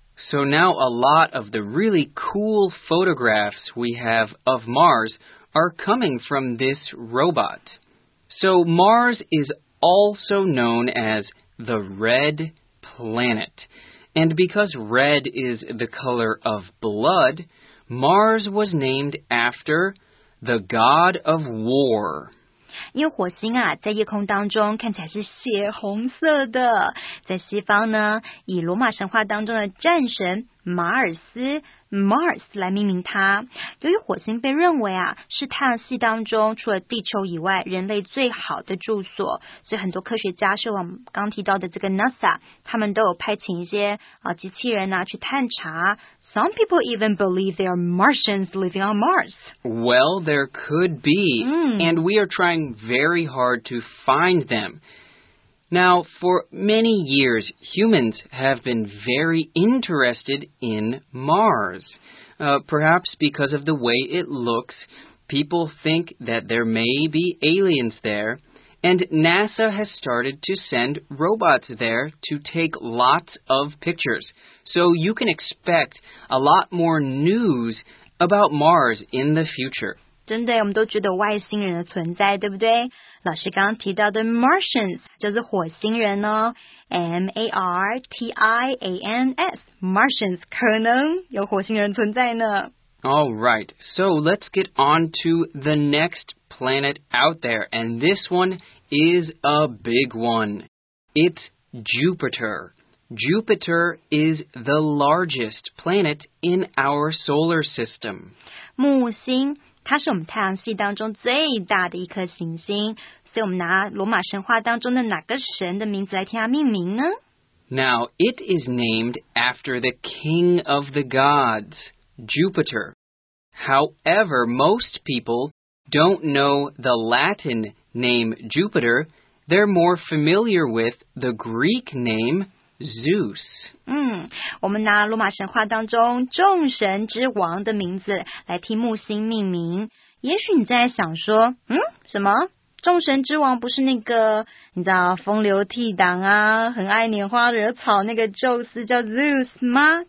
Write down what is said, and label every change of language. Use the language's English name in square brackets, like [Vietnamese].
[English] So now a lot of the really cool photographs we have of Mars are coming from this robot. So Mars is also known as the Red Planet. And because red is the color of blood, Mars was named after the god of war. [Chinese] 因为火星啊，在夜空当中看起来是血红色的。在西方呢，以罗马神话当中的战神马尔斯 Mars 来命名它。由于火星被认为啊，是太阳系当中除了地球以外人类最好的住所，所以很多科学家是我们刚提到的这个 NASA， 他们都有派遣一些机器人啊去探查。 [English] Some people even believe there are Martians living on Mars. Well, there could be, and we are trying very hard to find them. Now, for many years, humans have been very interested in Mars. Perhaps because of the way it looks, people think that there may be aliens there, and NASA has started to send robots there to take lots of pictures. So you can expect a lot more news about Mars in the future. [Chinese] 真的，我们都觉得外星人的存在，对不对？老师刚刚提到的 Martians 就是火星人哦 ，M-A-R-T-I-A-N-S，Martians 可能有火星人存在呢。 [English] All right, so let's get on to the next planet out there, and this one is a big one. It's Jupiter. Jupiter is the largest planet in our solar system. [Chinese] 木星，它是我们太阳系当中最大的一颗行星，所以我们拿罗马神话当中的哪个神的名字来替它命名呢？ [English] Now, it is named after the king of the gods, Jupiter. However, most people don't know the Latin name Jupiter. They're more familiar with the Greek name Zeus. [Chinese] 我们拿罗马神话当中众神之王的名字来替木星命名。也许你在想说，什么？众神之王不是那个，你知道，风流倜傥啊，很爱拈花惹草那个宙斯叫 Zeus 吗？